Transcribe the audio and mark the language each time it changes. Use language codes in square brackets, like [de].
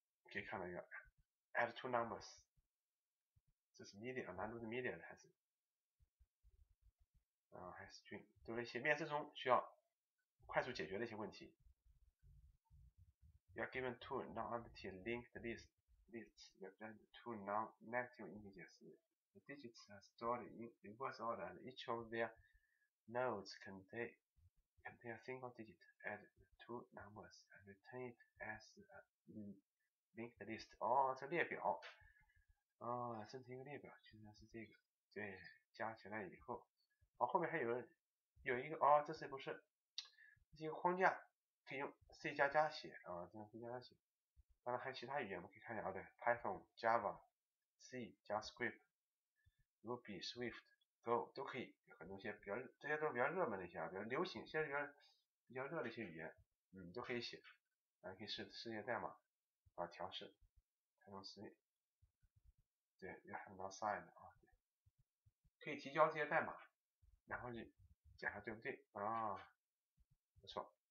[zh] 可以看到一个 Add two numbers， 这是 media， 难度是 media 的还是？还是 string， 都是一些面试中需要快速解决的一些问题。 [en] You are given two non-empty linked lists. lists represent two non-negative integers. The digits are stored in reverse order, and each of their nodes contain a single digit. Add the two numbers and return it as a linked list. [zh] 哦，这列表，哦，生成一个列表，居然是这个。对，加起来以后，哦，后面还有一个，哦，这是不是？这是一个框架，可以用 C 加加写啊，这样 C 加加写。当然还有其他语言，我们可以看一下啊，对 ，Python、Java、C、JavaScript、Ruby、Swift、Go 都可以，很多些比较，这些都是比较热门的一些，比较流行，现在比较热的一些语言，嗯，都可以写，啊，可以试一下代码，把调试，开通实例，对，要看到 sign 啊，对，可以提交这些代码，然后你检查对不对啊，不错。